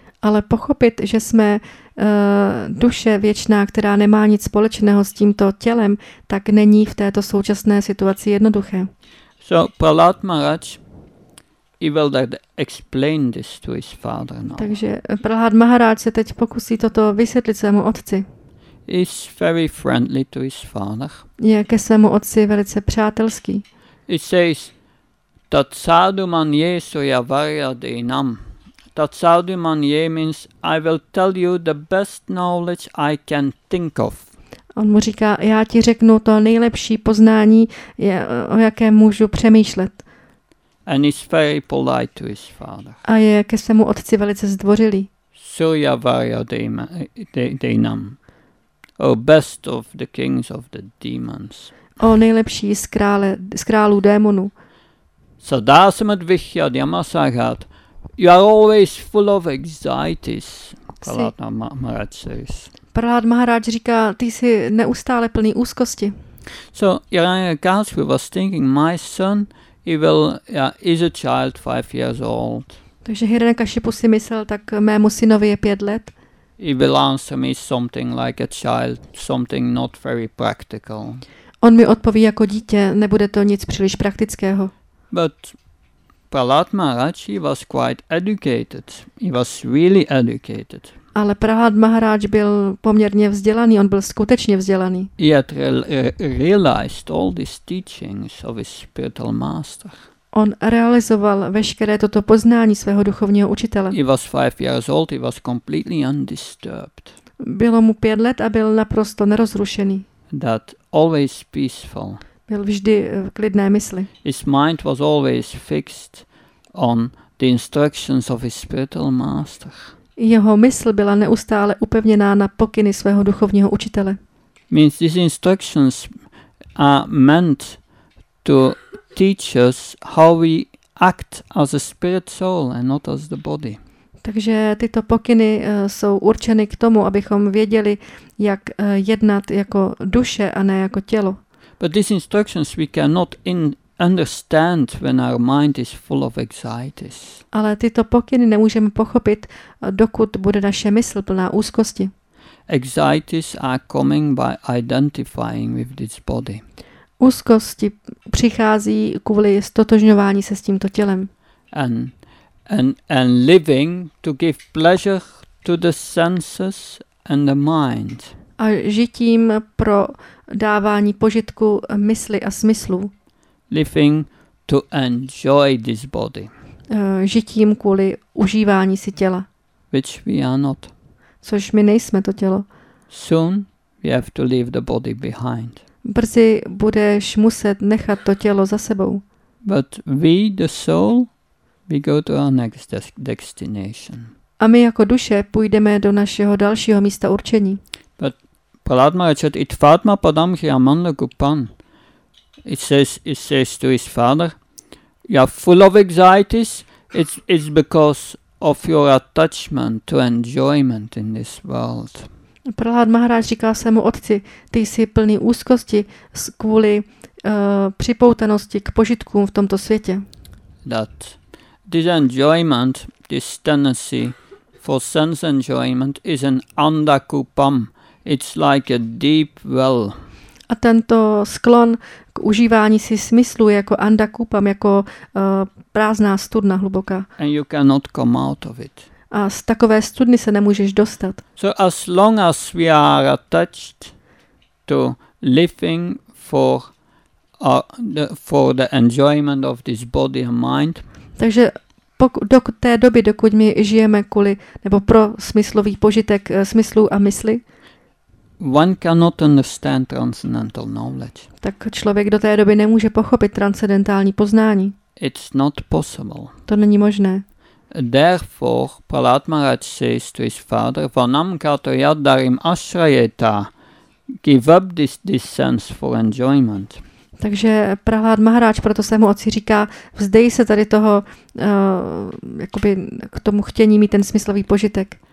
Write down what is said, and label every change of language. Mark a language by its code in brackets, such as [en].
[cs] Ale pochopit, že jsme duše věčná, která nemá nic společného s tímto tělem, tak není v této současné situaci jednoduché. [en] So Prahlad Maharaj, he will explain this to his father now. [cs] Takže Prahlad Maharaj se teď pokusí toto vysvětlit svému otci. [en] He's very friendly to his father. [cs] Je ke svému otci velice přátelský. [en] He says, [sa] tat sadu man jesu ja varia deinam. Tat sadu man je [en] means, I will tell you the best knowledge I can think of. [cs] On mu říká, já ti řeknu to nejlepší poznání, o jaké můžu přemýšlet. [en] And he's very polite to his father. [cs] A je ke svému otci velice zdvořilý. [sa] Surya Varya Deinam. [en] O best of the kings of the demons. [cs] O nejlepší z králů démonů. [sa] Sadasamad Vichyad Yamasagat. [en] You are always full of anxieties. Palata Maharaj says. [cs] Prahlad Maharaj říká, ty jsi neustále plný úzkosti. [en] So Hiranyakashipu was thinking, my son, he will is a child 5 years old. [cs] Takže Hiranyakashipu si myslel, tak mému synovi je 5 let. [en] He will answer me something like a child, something not very practical. [cs] On mi odpoví jako dítě, nebude to nic příliš praktického. [en] But Prahlad Maharaj, he was quite educated. He was really educated. [cs] Ale Prahlad Maharaj byl poměrně vzdělaný, on byl skutečně vzdělaný. [en] He had realized all these teachings of his spiritual master. [cs] On realizoval veškeré toto poznání svého duchovního učitele. [en] He was 5 years old, he was completely undisturbed. [cs] Bylo mu 5 let a byl naprosto nerozrušený. [en] That always peaceful. [cs] Byl vždy v klidné mysli. [en] His mind was always fixed on the instructions of his spiritual master. [cs] Jeho mysl byla neustále upevněná na pokyny svého duchovního učitele. [en] Means these instructions are meant to teach us how we act as a spirit soul and not as the body. [cs] Takže tyto pokyny jsou určeny k tomu, abychom věděli, jak jednat jako duše a ne jako tělo. [en] But these instructions we cannot understand when our mind is full of anxieties. [cs] Ale tyto pokyny nemůžeme pochopit, dokud bude naše mysl plná úzkosti. [en] Anxieties are coming by identifying with this body. [cs] Úzkosti přichází kvůli stotožňování se s tímto tělem. [en] And living to give pleasure to the senses and the mind. [cs] A žitím pro dávání požitku mysli a smyslu. [en] Living to enjoy this body. [cs] Žitím kvůli užívání si těla. [en] Which we are not. [cs] Což my nejsme to tělo. [en] Soon we have to leave the body behind. [cs] Brzy budeš muset nechat to tělo za sebou. [en] But we, the soul, We go to our next destination. [cs] A my jako duše půjdeme do našeho dalšího místa určení. [sa] But Pradmarachat it Fatma Padam Hyamanda Gupan. [en] It says to his father, you are full of anxieties, it's because of your attachment to enjoyment in this world. [cs] Prahlád Maharaj říká svému otci, ty jsi plný úzkosti kvůli připoutanosti k požitkům v tomto světě. [en] That this enjoyment, this tendency for sense enjoyment is an andakupam. It's like a deep well. [cs] A tento sklon k užívání si smyslu je jako andakupam, jako prázdná studna hluboká. [en] And you cannot come out of it. [cs] A z takové studny se nemůžeš dostat. [en] So as long as we are attached to living for the enjoyment of this body and mind. [cs] Takže do té doby, dokud my žijeme kvůli nebo pro smyslový požitek smyslu a mysli. [en] One cannot understand transcendental knowledge. [cs] Tak člověk do té doby nemůže pochopit transcendentální poznání. [en] It's not possible. [cs] To není možné. [en] Therefore, Prahlád Maharaj says to his father, [sa] Vanam kato yadarim ashrayeta, [en] give up this sense for enjoyment. [cs] Takže Prahlád Maharaj proto svému otci říká, vzdej se tady toho, jakoby k tomu chtění mít ten smyslový požitek.